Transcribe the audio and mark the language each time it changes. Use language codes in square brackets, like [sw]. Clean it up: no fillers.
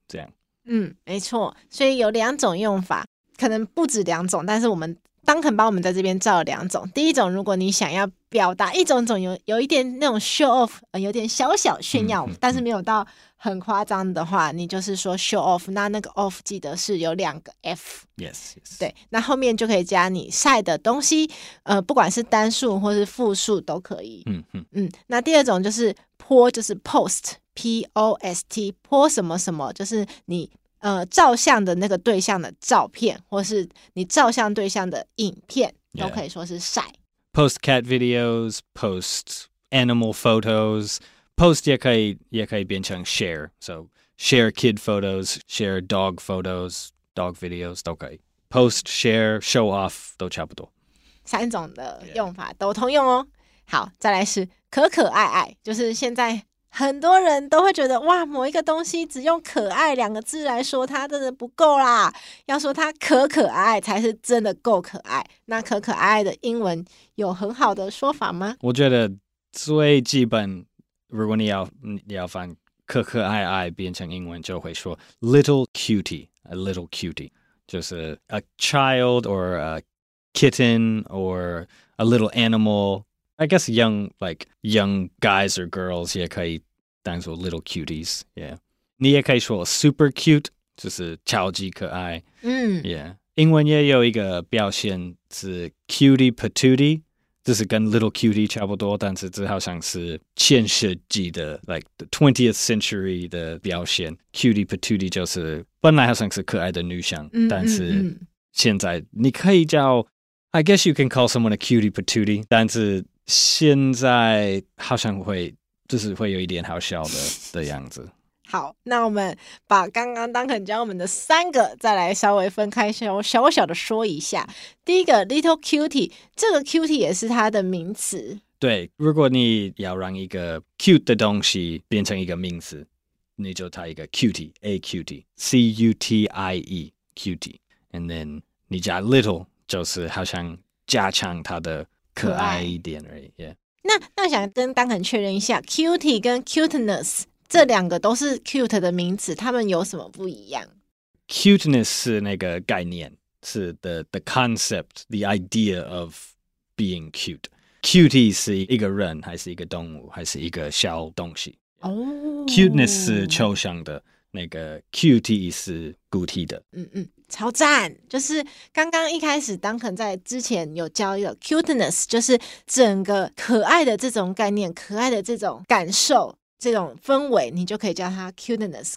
[zh] 这样。没错，所以有两种用法，可能不止两种，但是我们Duncan帮我们在这边造了两种。第一种，如果你想要表达一种种 有一点那种 show off、有点小小炫耀、但是没有到很夸张的话，你就是说 show off， 那个 off 记得是有两个 F。 [en] Yes, yes. [zh] 对，那后面就可以加你晒的东西、不管是单数或是复数都可以。那第二种就是 po， 就是 post， P-O-S-T， po 什么什么，就是你照相的那个对象的照片，或是你照相对象的影片、 [en] yeah. [zh] 都可以说是晒。 [en] Post cat videos, post animal photos. [zh] Post 也可以变成 share. [en] So share kid photos, share dog photos, dog videos [zh] 都可以。 [en] Post, share, show off [zh] 都差不多。三种的用法都通用哦。好，再来是可可爱爱，就是现在很多人都会觉得哇，某一个东西只用可爱两个字来说它真的不够啦，要说它可可爱才是真的够可爱。那可可爱的英文有很好的说法吗？我觉得最基本，如果你要翻可可爱爱变成英文，就会说 little cutie， a little cutie， 就是 [en] a child or a kitten or a little animal。 I guess young guys or girls [zh] 也可以当作 [en] little cuties, yeah. [zh] 你也可以说 [en] super cute, [zh] 就是超级可爱。嗯。 [en] Yeah. [zh] 英文也有一个表现是 cutie patootie, 就是跟 little cutie 差不多，但是这好像是前世纪的 [en] like the 20th century [zh] 的表现。 Cutie patootie 就是本来好像是可爱的女生，但是现在你可以叫 [en] I guess you can call someone a cutie patootie, [zh] 但是现在好像会就是会有一点好笑 的样子。好，那我们把刚刚当肯教我们的三个再来稍微分开小小的说一下。第一个 little cutie， 这个 cutie 也是它的名词。对，如果你要让一个 cute 的东西变成一个名词，你就它一个 cutie， a cutie， c-u-t-i-e cutie， and then 你加 little 就是好像加强它的可爱一点而已、yeah. 那想跟丹肯确认一下 cutie 跟 cuteness 这两个都是 cute 的名词，他们有什么不一样？ [en] cuteness [zh] 是那个概念， [en] 是 the concept， the idea of being cute。 [zh] cutie 是一个人还是一个动物还是一个小东西、 [en] yeah. oh. [zh] cuteness 是抽象的，那个 cutie 是固体的。超赞，就是刚刚一开始Duncan在之前有教一个 cuteness， 就是整个可爱的这种概念，可爱的这种感受，这种氛围，你就可以叫它 cuteness。